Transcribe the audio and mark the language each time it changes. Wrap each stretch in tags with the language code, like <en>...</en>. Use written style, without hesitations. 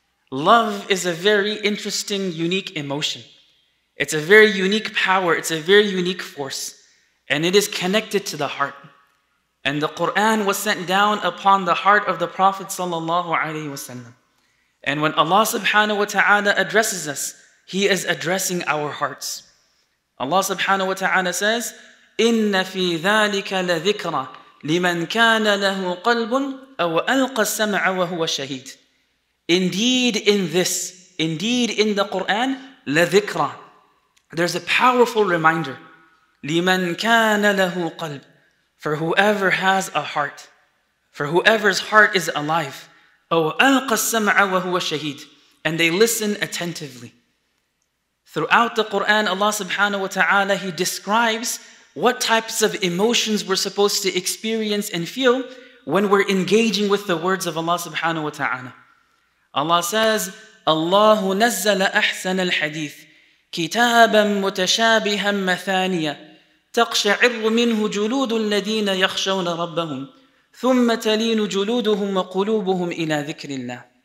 <en>Love is a very interesting, unique emotion. It's a very unique power. It's a very unique force. And it is connected to the heart. And the Quran was sent down upon the heart of the Prophet sallallahu alaihi wasallam. And when Allah subhanahu wa ta'ala addresses us, He is addressing our hearts.</en> <ar>Allah subhanahu wa ta'ala says, إِنَّ فِي ذَلِكَ لَذِكْرَ لِمَنْ كَانَ لَهُ قَلْبٌ أَوْ أَلْقَ السَّمْعَ وَهُوَ شَهِيدٌ.</ar> <en>Indeed in this, indeed in the Qur'an, لَذِكْرَ, there's a powerful reminder.</en> <ar>لِمَنْ كَانَ لَهُ قَلْبٌ,</ar> <en>for whoever has a heart, for whoever's heart is alive.</en> <ar>أَوْ أَلْقَ السَّمْعَ وَهُوَ شَهِيدٌ,</ar> <en>and they listen attentively. Throughout the Qur'an, Allah subhanahu wa ta'ala, He describes what types of emotions we're supposed to experience and feel when we're engaging with the words of Allah subhanahu wa ta'ala.</en> <ar>Allah says, اللَّهُ نَزَّلَ أَحْسَنَ الْحَدِيثِ كِتَابًا مُتَشَابِهًا مَثَانِيَ تَقْشَعِرُّ مِنْهُ جُلُودُ الَّذِينَ يَخْشَوْنَ رَبَّهُمْ ثُمَّ تَلِينُ جُلُودُهُمْ وَقُلُوبُهُمْ إِلَى ذِكْرِ اللَّهِ.</ar>